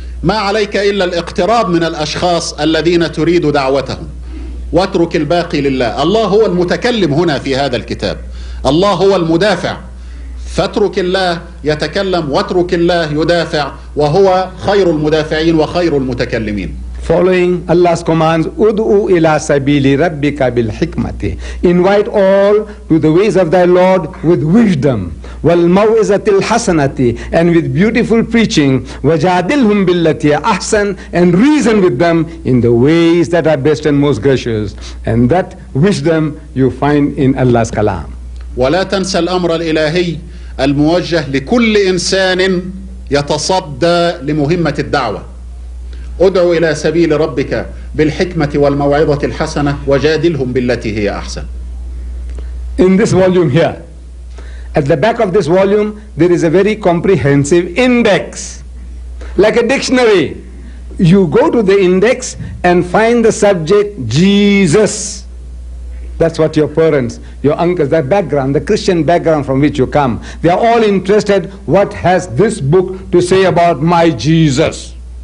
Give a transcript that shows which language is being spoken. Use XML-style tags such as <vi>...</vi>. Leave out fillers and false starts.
<ar>ما عليك إلا الاقتراب من الأشخاص الذين تريد دعوتهم واترك الباقي لله. الله هو المتكلم هنا في هذا الكتاب. الله هو المدافع. فاترك الله يتكلم واترك الله يدافع وهو خير المدافعين وخير المتكلمين.</ar> <en>Following Allah's commands,</en> <ar>ادعو إلى سبيل ربك بالحكمة.</ar> <en>Invite all to the ways of thy Lord with wisdom.</en> <ar>والموعظة الحسنة</ar> <en>and with beautiful preaching.</en> <ar>وجادلهم بالتي أحسن</ar> <en>and reason with them in the ways that are best and most gracious. And that wisdom you find in Allah's kalam.</en> <ar>ولا تنسى الأمر الإلهي الموجه لكل إنسان يتصدى لمهمة الدعوة. ادعو إلى سبيل ربك بالحكمة والموعظة الحسنة وجادلهم بالتي هي أحسن.</ar> <en>In this volume here, at the back of this volume, there is a very comprehensive index, like a dictionary. You go to the index and find the subject Jesus. That's what your parents, your uncles, their background, the Christian background from which you come, they are all interested, what has this book to say about my Jesus?</en>